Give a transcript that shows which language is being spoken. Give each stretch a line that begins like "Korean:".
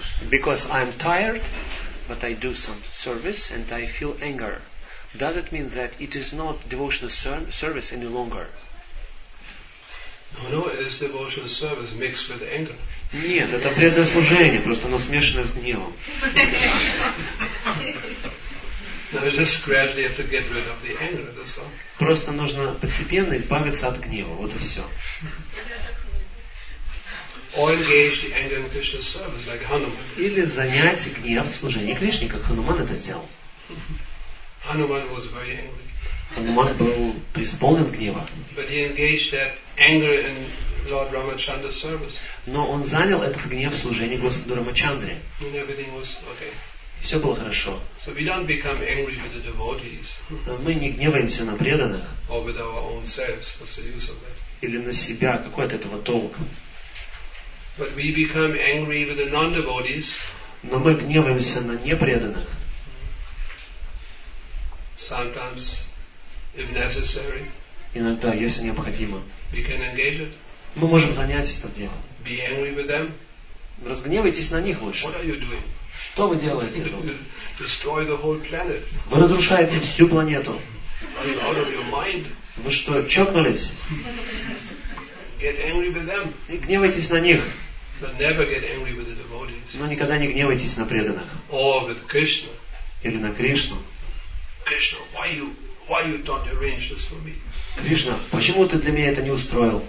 English: Because I'm tired, but I do some service and I feel anger. Does it mean that it is not devotional service any longer? No, no, it is devotional service mixed with anger.
Russian: Нет, это преданное служение, просто оно смешано с гневом.
English: No, you just gradually have to get rid of the anger, that's all.
Russian: Просто нужно постепенно избавиться от гнева, вот и все.
English: Or engage the anger in Krishna's service, like Hanuman.
Russian: Или занять гнев в служении Кришне, как Хануман это сделал.
English: Hanuman was very angry.
Russian: Хануман был преисполнен гнева.
English: But he engaged that anger in Lord Ramachandra's service.
Russian: Но он занял этот гнев в служении Господу Рамачандре.
English: And everything was okay.
Russian: И все было хорошо.
English: So we don't become angry with the devotees.
Russian: Мы не гневаемся на преданных.
English: Or with our own selves, what's the use of that?
Russian: Или на себя, какой от этого толк?
English: But we become angry with the non-devotees.
Russian: Но мы гневаемся на непреданных.
English: Sometimes, if necessary.
Russian: Иногда, если необходимо.
English: We can engage it.
Russian: Мы можем занять это дело.
English: Be angry with them.
Russian: Разгневайтесь на них лучше.
English: What are you doing?
Russian: Что вы делаете?
English: Destroy the whole planet.
Russian: Вы разрушаете всю планету.
English: Out of your mind.
Russian: Вы что, чокнулись?
English: Get angry with them.
Russian: И гневайтесь на них.
English: But never get angry with the devotees.
Russian: Но никогда не гневайтесь на преданных.
English: Or with Krishna.
Russian: Или на Кришну.
English: Krishna, why you don't arrange this for me?
Russian: Кришна, почему ты для меня это не устроил?